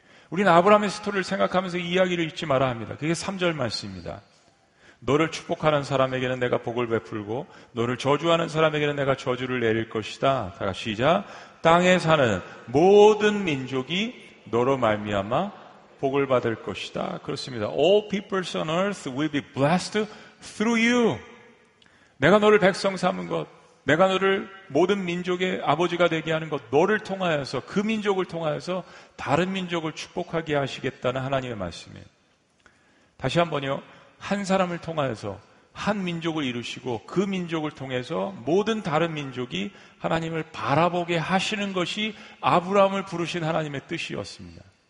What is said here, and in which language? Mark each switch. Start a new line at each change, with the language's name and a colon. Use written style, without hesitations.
Korean: 우리는 아브라함의 스토리를 생각하면서 이야기를 잊지 말아야 합니다. 그게 3절 말씀입니다. 너를 축복하는 사람에게는 내가 복을 베풀고 너를 저주하는 사람에게는 내가 저주를 내릴 것이다. 다 같이 시작. 땅에 사는 모든 민족이 너로 말미암아 복을 받을 것이다. 그렇습니다.
English: All peoples on earth will be blessed through you.
Korean: 내가 너를 백성 삼은 것, 내가 너를 모든 민족의 아버지가 되게 하는 것, 너를 통하여서, 그 민족을 통하여서 다른 민족을 축복하게 하시겠다는 하나님의 말씀이에요. 다시 한번요, 한 사람을 통하여서 한 민족을 이루시고 그 민족을 통해서 모든 다른 민족이 하나님을 바라보게 하시는 것이 아브라함을 부르신 하나님의 뜻이었습니다.